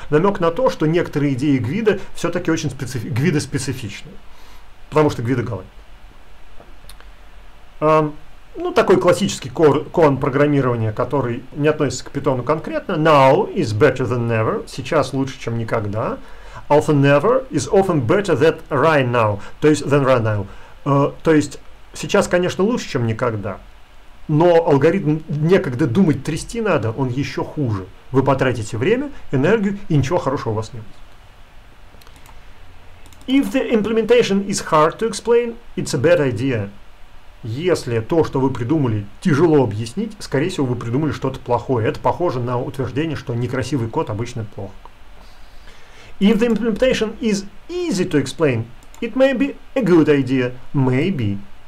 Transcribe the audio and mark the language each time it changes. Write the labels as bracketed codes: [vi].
[ru] Намек на то, что некоторые идеи Гвида все-таки очень гвидоспецифичны. Потому что Гвида голландец. Ну, такой классический кон программирования, который не относится к Питону конкретно. [en] Now is better than never. [ru] Сейчас лучше, чем никогда. [en] Often never is often better than right now. [ru] То есть, [en] than right now. [ru] То есть, сейчас, конечно, лучше, чем никогда. Но алгоритм некогда думать трясти надо, он еще хуже. Вы потратите время, энергию, и ничего хорошего у вас не будет. [en] If the implementation is hard to explain, it's a bad idea. [ru] Если то, что вы придумали, тяжело объяснить, скорее всего, вы придумали что-то плохое. Это похоже на утверждение, что некрасивый код обычно плох. [en] If the implementation is easy to explain, it may be a good idea. Maybe.